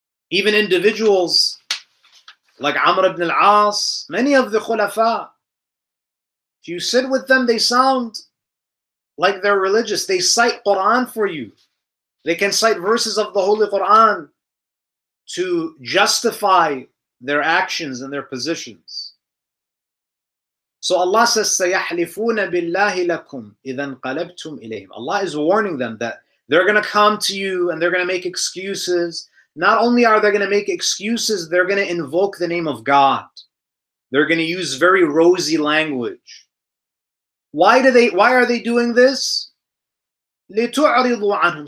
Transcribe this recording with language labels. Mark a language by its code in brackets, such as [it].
[en] Even individuals like Amr ibn al-As, many of the Khulafa, if you sit with them, they sound like they're religious. They cite Quran for you. They can cite verses of the Holy Quran to justify their actions and their positions. So Allah says, [ar] سَيَحْلِفُونَ بِاللَّهِ لَكُمْ إِذَا انْقَلَبْتُمْ إِلَيْهِمْ. [en] Allah is warning them that they're going to come to you and they're going to make excuses. Not only are they going to make excuses, they're going to invoke the name of God. They're going to use very rosy language. Why are they doing this? [ar] لِتُعْرِضُوا عَنْهُمْ.